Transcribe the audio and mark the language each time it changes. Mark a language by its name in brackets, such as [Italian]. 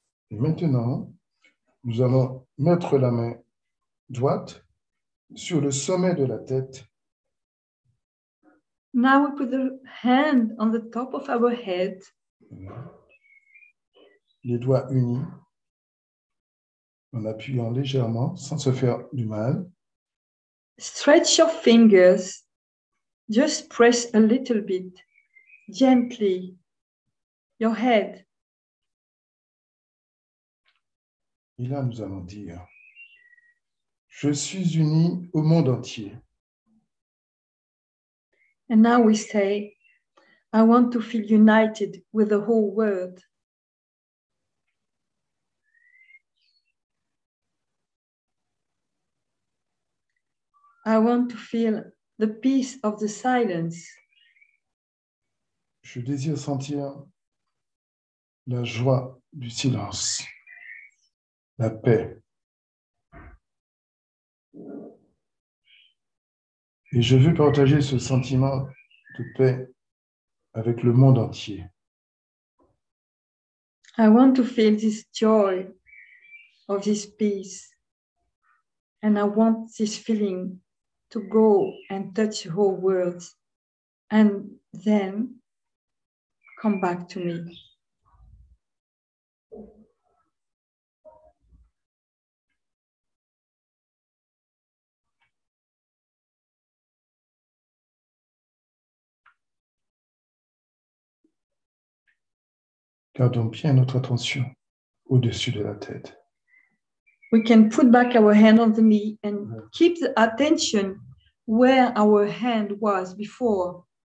[French] Et maintenant, nous allons mettre la main droite sur le sommet de la tête. [English] Now we put the hand on the top of our head. [French] Les doigts unis, en appuyant légèrement sans se faire du mal. [English] Stretch your fingers, just press a little bit, gently, your head. [French] Et là, nous allons dire, je suis uni au monde entier. [English] And now we say, I want to feel united with the whole world. I want to feel the peace of the silence. [French] Je désire sentir la joie du silence. La paix. Et je veux partager ce sentiment de paix avec le monde entier. [English] I want to feel this joy of this peace. And I want this feeling to go and touch the whole world and then come back to me. [French] Gardons bien notre attention au-dessus de la tête. [English] We can put back our hand on the knee and keep the attention where our hand was before.